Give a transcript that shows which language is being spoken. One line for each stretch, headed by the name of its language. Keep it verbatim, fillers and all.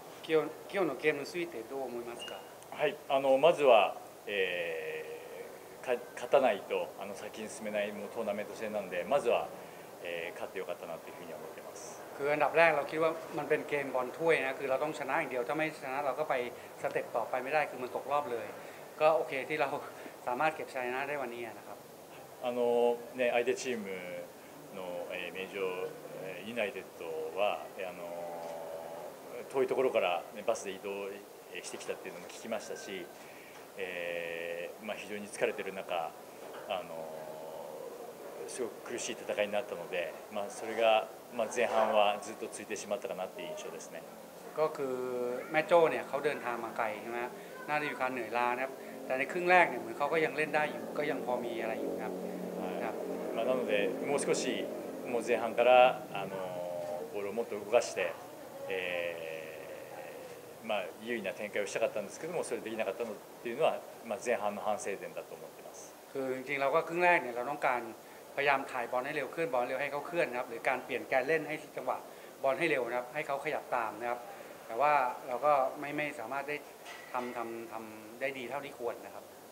Japanese: 今日、今日のゲームについてどう思いますか？はい、あのまずは、えー、勝たないとあの先に進めないもうトーナメント戦なので、まずは、えー、勝ってよかったなというふうに思っています。
Thai: คืออันดับแรกเราคิดว่ามันเป็นเกมบอลถ้วยนะคือเราต้องชนะอย่างเดียวถ้าไม่ชนะเราก็ไปสเต็ปต่อไปไม่ได้คือมันตกรอบเลยก็โอเคที่เราสามารถเก็บชัยชนะได้วันนี้นะครับ
Japanese: あのね相手チームの名城ユナイテッドはあの遠いところからバスで移動してきたっていうのも聞きましたし、えーまあ、非常に疲れてる中あのすごく苦しい戦いになったので、まあ、それが、まあ、前半はずっとついてしまったかなっていう印象ですね。
Thai: ก็คือแม่โจ้เนี่ยเขาเดินทางมาไกลใช่ไหมน่าจะมีความเหนื่อยล้านะครับแต่ในครึ่งแรกเนี่ยเหมือนเขาก็ยังเล่นได้อยู่ก็ยังพอมีอะไรอยู่ครับ
Japanese: ครับまあなのでもう少しもう前半からあのボールをもっと動かして、えー、まあ優位な展開をしたかったんですけどもそれできなかったのっていうのは、まあ、前半の反省点だと思ってます。
Thai: คือจริงๆเราก็ครึ่งแรกเนี่ยเราต้องการพยายามถ่ายบอลให้เร็วขึ้นบอลเร็วให้เขาเคลื่อนนะครับหรือการเปลี่ยนการเล่นให้จังหวะบอลให้เร็วนะครับให้เขาขยับตามนะครับแต่ว่าเราก็ไม่ไม่สามารถได้ทำทำทำได้ดีเท่าที่ควรนะครับ